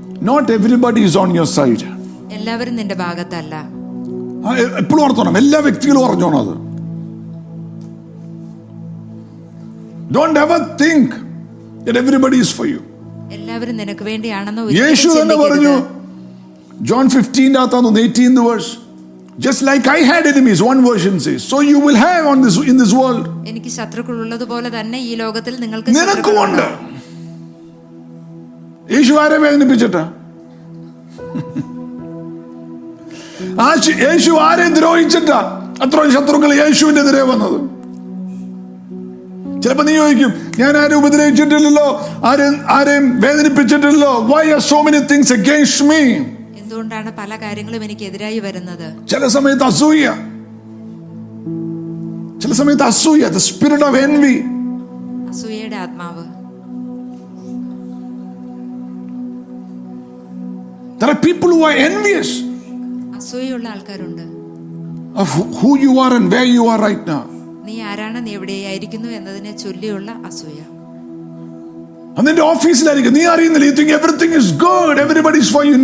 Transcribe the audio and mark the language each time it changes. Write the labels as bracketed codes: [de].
[en] Not everybody is on your side. [ml] എല്ലാവരും നിന്റെ ഭാഗത്തല്ല. എപ്പോഴും ഓർത്തോണം, എല്ലാ വ്യക്തികളും അറിഞ്ഞോണം അത്. [en] Don't ever think that everybody is for you. [ml] എല്ലാവരും നിനക്ക് വേണ്ടിയാണെന്ന് യേശു തന്നെ പറഞ്ഞു. [en] John 15 and 18th verse, just like I had enemies, one version says, so you will have on this, in this world. [ml] എനിക്ക് ശത്രുക്കളുള്ളത് പോലെ തന്നെ ഈ ലോകത്തിൽ നിങ്ങൾക്ക് ശത്രുക്കളുണ്ട്. യേശു ആരെ വേദനിപ്പിച്ചിട്ട്? യേശു ആരെ ദ്രോഹിച്ചിട്ട്? അത്രയും ശത്രുക്കൾ യേശുവിന്റെ എതിരെ വന്നത്. ചിലപ്പോ നീ ചോദിക്കും, ഞാൻ ആരും ഉപദ്രവിച്ചിട്ടില്ലല്ലോ, ആരും ആരെയും വേദനിപ്പിച്ചിട്ടില്ലല്ലോ. [en] Why are so many things against me? [ml] എന്തുകൊണ്ടാണ് പല കാര്യങ്ങളും എനിക്ക് എതിരായി വരുന്നത്? ചില സമയത്ത് അസൂയ, ചില സമയത്ത് അസൂയ, [en] the spirit of envy, [ml] അസൂയയുടെ ആത്മാവ്. [en] There are people who are envious. [ml] അസൂയയുള്ള ആൾക്കാരുണ്ട്. [en] Of who you are and where you are right now. [ml] നീ ആരാണ്, നീ എവിടെയായിരിക്കുന്നു എന്നതിനെ ചൊല്ലിയുള്ള അസൂയ. [en] And in the office like [ml] നീ അറിയുന്നില്ല, [en] you think everything is good, everybody is for you.